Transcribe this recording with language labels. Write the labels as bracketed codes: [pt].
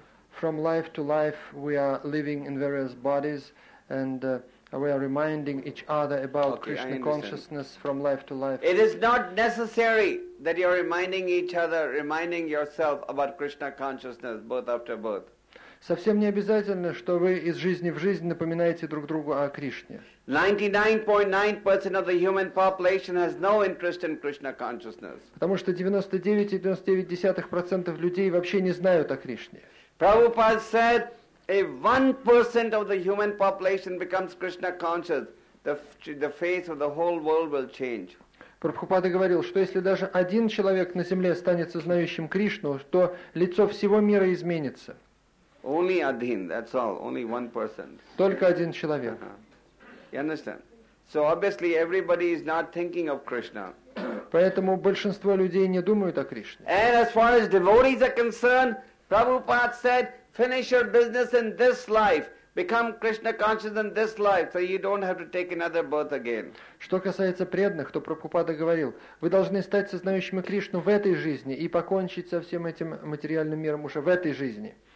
[en] From life to life, we are living in various bodies and we are reminding each other about Krishna consciousness from life to life. It is not necessary that you are reminding each other, reminding yourself about Krishna consciousness, birth after birth. [ru] Совсем не обязательно, что вы из жизни в жизнь напоминаете друг другу о Кришне. [en] 99.9% of the human population has no interest in Krishna consciousness. [ru] Потому что 99.99% людей вообще не знают о Кришне. [en] Prabhupada said, if 1% of the human population becomes Krishna conscious, the face of the whole world will change. [ru] Прабхупада говорил, что если даже один человек на земле станет сознающим Кришну, то лицо всего мира изменится. [en] Only [ru] один, [en] that's all, only 1%. [ru] Только один человек. [en] You understand? So obviously everybody is not thinking of Krishna. [ru] Поэтому большинство людей не думают о Кришне. [en] And as far as devotees are concerned, Prabhupada said, finish your business in this life, become Krishna conscious in this life, so you don't have to take another birth again. [ru] Что касается преданных, то Прабхупада говорил, вы должны стать сознающими Кришну в этой жизни и покончить со всем этим материальным миром уже в этой жизни.